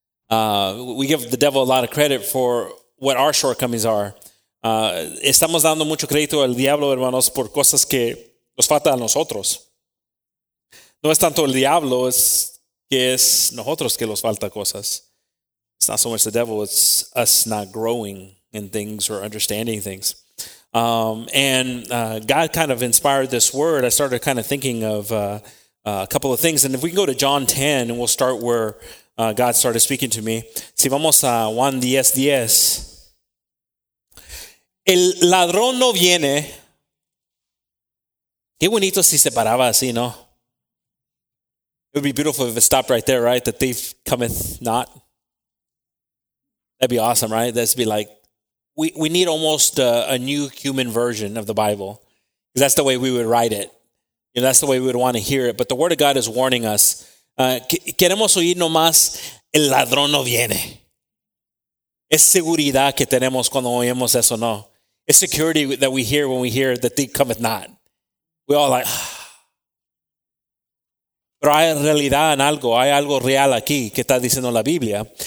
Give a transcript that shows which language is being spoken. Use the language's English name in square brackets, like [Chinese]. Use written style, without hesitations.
[English] We give the devil a lot of credit for what our shortcomings are. [Spanish] Estamos dando mucho crédito al diablo, hermanos, por cosas que nos falta a nosotros. No es tanto el diablo, es que es nosotros que nos falta cosas. [English] It's not so much the devil, it's us not growing in things or understanding things. God kind of inspired this word. I started kind of thinking of a couple of things. And if we can go to John 10, and we'll start where God started speaking to me. [Spanish] Si vamos a Juan 10:10. El ladrón no viene. Qué bonito si se paraba así, ¿no? [English] It would be beautiful if it stopped right there, right? The thief cometh not. That'd be awesome, right? That'd be like, we need almost a new human version of the Bible. Because that's the way we would write it. You know, that's the way we would want to hear it. But the word of God is warning us. [Spanish] Queremos oír nomás, el ladrón no viene. Es seguridad que tenemos cuando oímos eso, no. It's security that we hear when we hear the thief cometh not. [English] We all like, [Spanish] pero hay realidad en algo. Hay algo real aquí que está diciendo la Biblia.